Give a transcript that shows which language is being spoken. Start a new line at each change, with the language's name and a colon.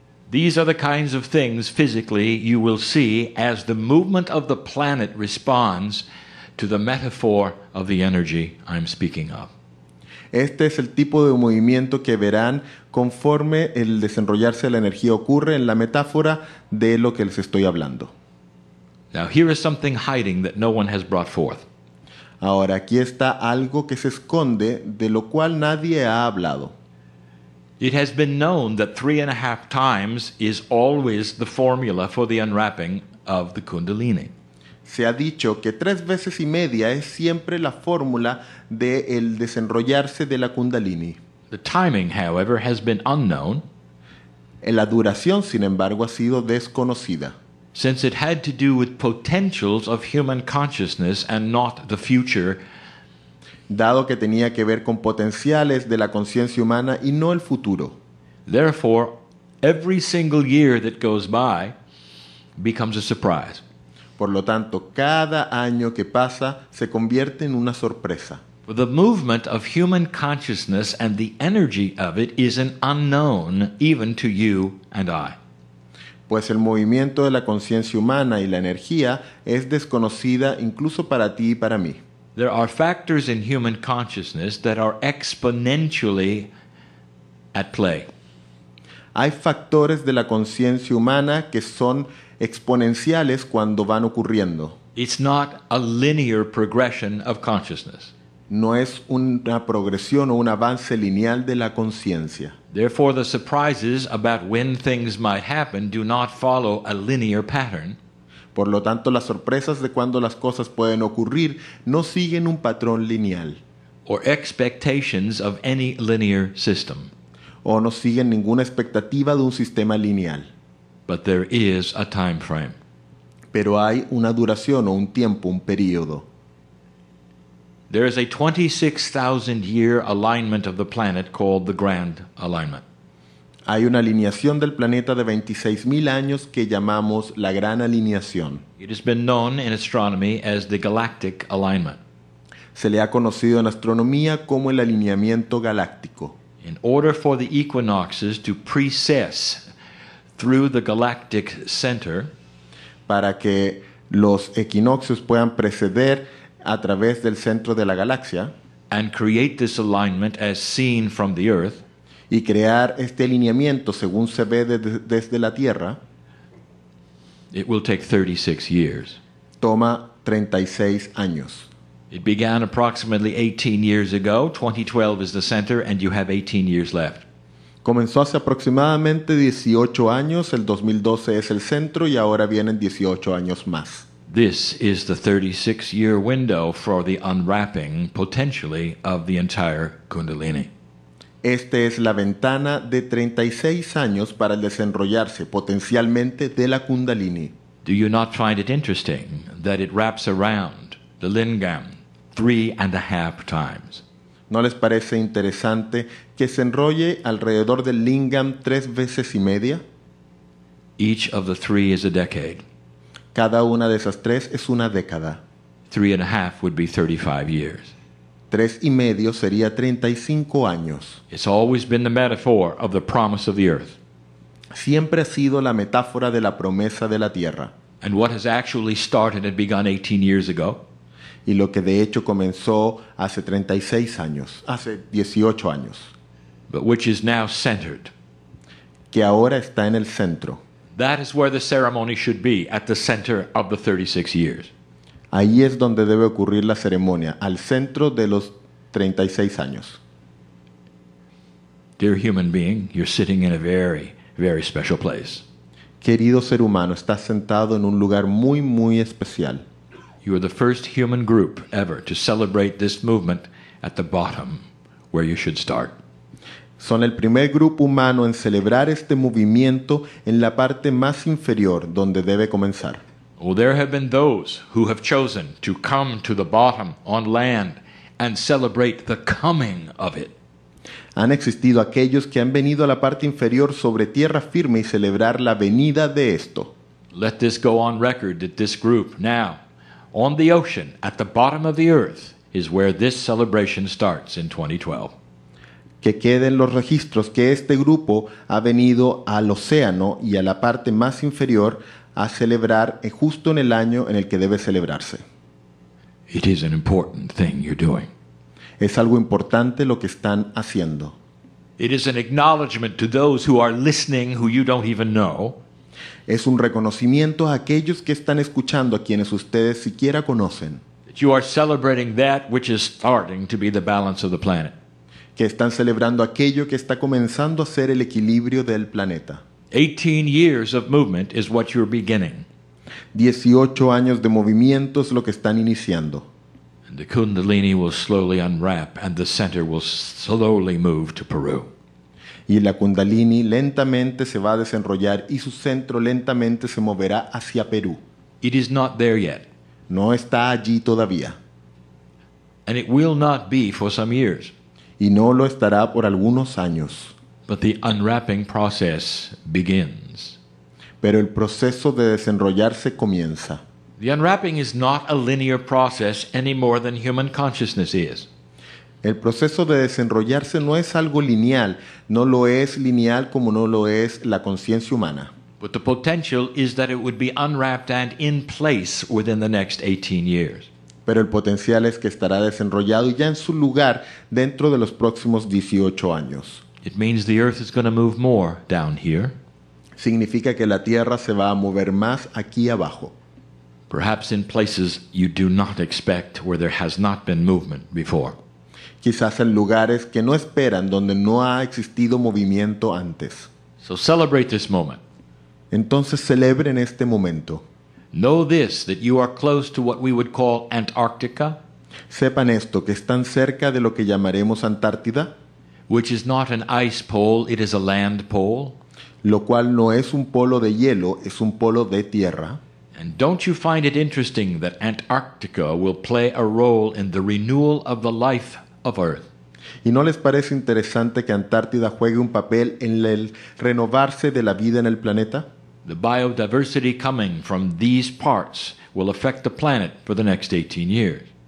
English: These are the kinds of things physically you will see as the movement of the planet responds to the metaphor of the energy I'm speaking of.
Spanish: Este es el tipo de movimiento que verán conforme el desenrollarse de la energía ocurre en la metáfora de lo que les estoy hablando.
English: Now here is something hiding that no one has brought forth.
Spanish: Ahora aquí está algo que se esconde de lo cual nadie ha hablado.
English: It has been known that 3.5 times is always the formula for the unwrapping of the Kundalini.
Spanish: Se ha dicho que 3.5 es siempre la fórmula del desenrollarse de la Kundalini.
English: The timing, however, has been unknown.
Spanish: La duración, sin embargo, ha sido desconocida.
English: Since it had to do with potentials of human consciousness and not the future.
Spanish: Dado que tenía que ver con potenciales de la conciencia humana y no el futuro.
English: Therefore, every single year that goes by becomes a surprise.
Spanish: Por lo tanto, cada año que pasa se convierte en una sorpresa.
English: The movement of human consciousness and the energy of it is an unknown even to you and I.
Spanish: Pues el movimiento de la conciencia humana y la energía es desconocida incluso para ti y para mí.
English: There are factors in human consciousness that are exponentially at play.
Spanish: Hay factores de la conciencia humana que son exponenciales cuando van ocurriendo.
English: It's not a linear progression of consciousness.
Spanish: No es una progresión o un avance lineal de la conciencia.
English: Therefore, the surprises about when things might happen do not follow a linear pattern.
Spanish: Por lo tanto, las sorpresas de cuando las cosas pueden ocurrir no siguen un patrón lineal.
English: Or expectations of any linear system.
Spanish: O no siguen ninguna expectativa de un sistema lineal.
English: But there is a time frame.
Spanish: Pero hay una duración o un tiempo, un periodo.
English: There is a 26,000-year alignment of the planet called the Grand Alignment.
Spanish: Hay una alineación del planeta de 26,000 años que llamamos la Gran Alineación.
English: It has been known in astronomy as the Galactic Alignment.
Spanish: Se le ha conocido en astronomía como el alineamiento galáctico.
English: In order for the equinoxes to precess through the galactic center,
Spanish: para que los equinoccios puedan preceder a través del centro de la galaxia,
English: and create this alignment as seen from the Earth,
Spanish: y crear este alineamiento según se ve desde la Tierra,
English: it will take 36 years.
Spanish: Toma 36 años.
English: It began approximately 18 years ago. 2012 is the center, and you have 18 years left.
Spanish: Comenzó hace aproximadamente 18 años. El 2012 es el centro, y ahora vienen 18 años más.
English: This is the 36-year window for the unwrapping, potentially, of the entire Kundalini.
Spanish: Esta es la ventana de 36 años para el desenrollarse potencialmente de la Kundalini.
English: Do you not find it interesting that it wraps around the lingam 3.5 times?
Spanish: ¿No les parece interesante que se enrolle alrededor del lingam 3.5?
English: Each of the three is a decade.
Spanish: Cada una de esas tres es una década.
English: 3.5 would be 35 years.
Spanish: 3.5 sería 35 años.
English: It's always been the metaphor of the promise of the earth.
Spanish: Siempre ha sido la metáfora de la promesa de la tierra.
English: And what has actually started and begun 18 years ago.
Spanish: Y lo que de hecho comenzó hace 36 años, hace 18 años.
English: But which is now centered.
Spanish: Que ahora está en el centro.
English: That is where the ceremony should be, at the center of the 36 years.
Spanish: Ahí es donde debe ocurrir la ceremonia, al centro de los 36 años.
English: Dear human being, you're sitting in a very, very special place.
Spanish: Querido ser humano, estás sentado en un lugar muy, muy especial.
English: You are the first human group ever to celebrate this movement at the bottom, where you should start.
Spanish: Son el primer grupo humano en celebrar este movimiento en la parte más inferior, donde debe comenzar.
English: Well, there have been those who have chosen to come to the bottom on land and celebrate the coming of it.
Spanish: Han existido aquellos que han venido a la parte inferior sobre tierra firme y celebrar la venida de esto.
English: Let this go on record that this group now, on the ocean, at the bottom of the earth, is where this celebration starts in 2012.
Spanish: Que queden los registros que este grupo ha venido al océano y a la parte más inferior a celebrar justo en el año en el que debe celebrarse.
English: It is an important thing you're doing.
Spanish: Es algo importante lo que están haciendo.
English: It is an acknowledgement to those who are listening who you don't even know.
Spanish: Es un reconocimiento a aquellos que están escuchando, a quienes ustedes siquiera conocen.
English: You are celebrating that which is starting to be the balance of the planet.
Spanish: Que están celebrando aquello que está comenzando a ser el equilibrio del planeta.
English: 18 years of movement is what you're beginning.
Spanish: 18 años de movimiento es lo que están iniciando.
English: And the Kundalini will slowly unwrap and the center will slowly move to Peru.
Spanish: Y la Kundalini lentamente se va a desenrollar y su centro lentamente se moverá hacia Perú.
English: It is not there yet.
Spanish: No está allí todavía.
English: And it will not be for some years.
Spanish: Y no lo estará por algunos años.
English: But the unwrapping process begins.
Spanish: Pero el proceso de desenrollarse comienza.
English: The unwrapping is not a linear process any more than human consciousness is.
Spanish: El proceso de desenrollarse no es algo lineal, no lo es lineal como no lo es la conciencia humana.
English: But the potential is that it would be unwrapped and in place within the next 18 years.
Spanish: Pero el potencial es que estará desenrollado y ya en su lugar dentro de los próximos 18 años.
English: It means the earth is going to move more down here.
Spanish: Significa que la tierra se va a mover más aquí abajo.
English: Perhaps in places you do not expect where there has not been movement before.
Spanish: Quizás en lugares que no esperan, donde no ha existido movimiento antes.
English: So celebrate this moment.
Spanish: Entonces celebren este momento.
English: Know this, that you are close to what we would call Antarctica.
Spanish: Sepan esto, que están cerca de lo que llamaremos Antártida.
English: Which is not an ice pole, it is a land pole.
Spanish: Lo cual no es un polo de hielo, es un polo de tierra.
English: And don't you find it interesting that Antarctica will play a role in the renewal of the life of Earth?
Spanish: ¿Y no les parece interesante que Antártida juegue un papel en el renovarse de la vida en el planeta?
English: The biodiversity coming from these parts will affect the planet for the next 18 years.